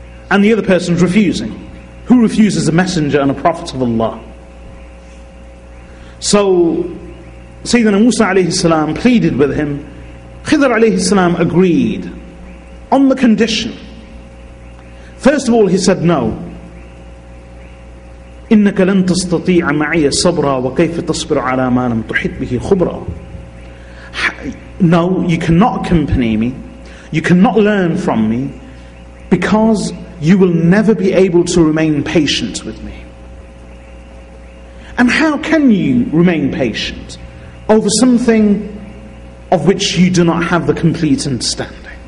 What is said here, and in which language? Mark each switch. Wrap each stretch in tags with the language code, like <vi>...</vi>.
<en>And the other person is refusing. Who refuses a messenger and a prophet of Allah? So Sayyidina Musa alayhi salam pleaded with him. Khidr alayhi salam agreed on the condition. First of all, he said, "No.</en> <ar>إِنَّكَ لَن تَسْتَطِيعَ مَعِيَ صَبْرًا وَكَيْفَ تَصْبِرْ عَلَى مَا لَمْ تُحِطْ بِهِ خُبْرًا."</ar> <en>No, you cannot accompany me. You cannot learn from me, because you will never be able to remain patient with me. And how can you remain patient over something of which you do not have the complete understanding?</en>